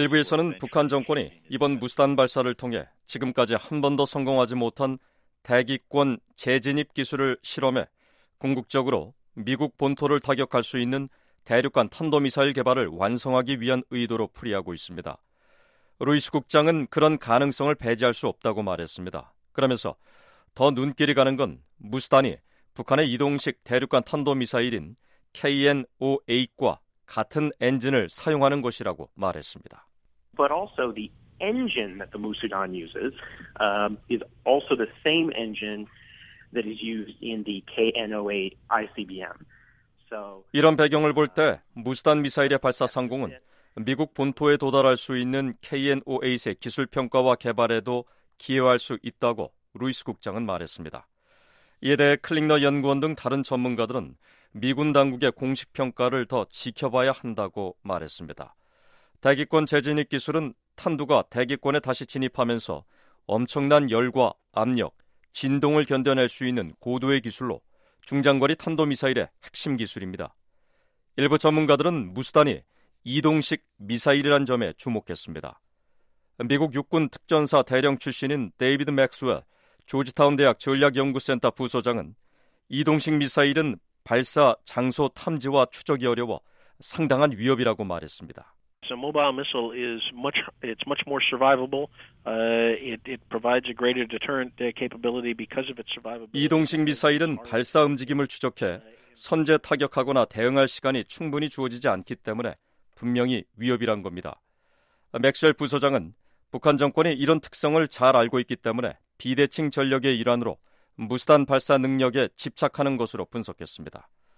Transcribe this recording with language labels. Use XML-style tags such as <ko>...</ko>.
<ko>일부에서는 북한 정권이 이번 무수단 발사를 통해 지금까지 한 번도 성공하지 못한 대기권 재진입 기술을 실험해 궁극적으로 미국 본토를 타격할 수 있는 대륙간 탄도미사일 개발을 완성하기 위한 의도로 풀이하고 있습니다. 루이스 국장은 그런 가능성을 배제할 수 없다고 말했습니다. 그러면서 더 눈길이 가는 건 무수단이 북한의 이동식 대륙간 탄도미사일인 KN-08과 같은 엔진을 사용하는 것이라고 말했습니다.</ko> <en>But also the engine that the Musudan uses is also the same engine that is used in the KN-08 ICBM.</en> <ko>이런 배경을 볼 때 무수단 미사일의 발사 성공은 미국 본토에 도달할 수 있는 KN-08의 기술 평가와 개발에도 기여할 수 있다고 루이스 국장은 말했습니다. 이에 대해 클링너 연구원 등 다른 전문가들은 미군 당국의 공식 평가를 더 지켜봐야 한다고 말했습니다. 대기권 재진입 기술은 탄두가 대기권에 다시 진입하면서 엄청난 열과 압력, 진동을 견뎌낼 수 있는 고도의 기술로 중장거리 탄도미사일의 핵심 기술입니다. 일부 전문가들은 무수단이 이동식 미사일이란 점에 주목했습니다. 미국 육군 특전사 대령 출신인 데이비드 맥스웰 조지타운 대학 전략연구센터 부소장은 이동식 미사일은 발사 장소 탐지와 추적이 어려워 상당한 위협이라고 말했습니다.</ko> <en>So mobile missile is much it's much more survivable. It provides a greater deterrent capability because of its survivability.</en> <ko>이동식 미사일은 발사 움직임을 추적해 선제 타격하거나 대응할 시간이 충분히 주어지지 않기 때문에 분명히 위협이란 겁니다. 맥스웰 부소장은 북한 정권이 이런 특성을 잘 알고 있기 때문에 비대칭 전력의 일환으로 무수단 발사 능력에 집착하는 것으로 분석했습니다.</ko>